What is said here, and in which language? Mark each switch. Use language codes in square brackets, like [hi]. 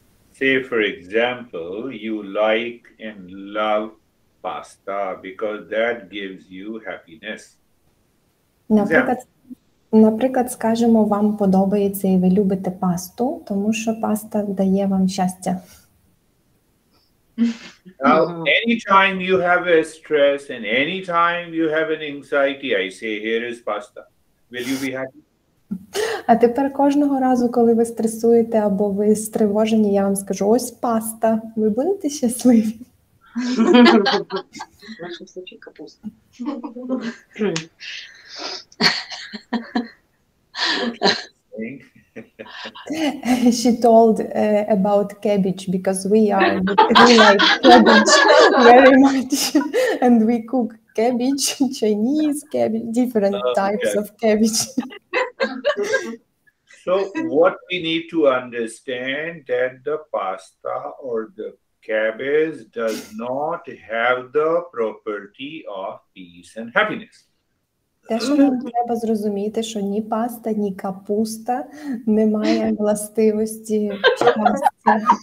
[en] Say, for example, you like and love pasta because that gives you happiness. [uk] Наприклад, скажімо, вам подобається і ви любите пасту, тому що паста дає вам щастя. [en] Now, anytime you have a stress and anytime you have an anxiety, I say, here is pasta. Will you be happy? [uk] А тепер кожного разу, коли ви стресуєте або ви стривожені, я вам скажу, ось паста, ви будете щасливі? В нашому случаї капуста. [en] Okay. she told about cabbage, because we are we like cabbage very much, and we cook cabbage, Chinese cabbage, different types of cabbage. So what we need to understand that the pasta or the cabbage does not have the property of peace and happiness. [uk] Теж нам треба зрозуміти, що ні паста, ні капуста не має властивості щастя.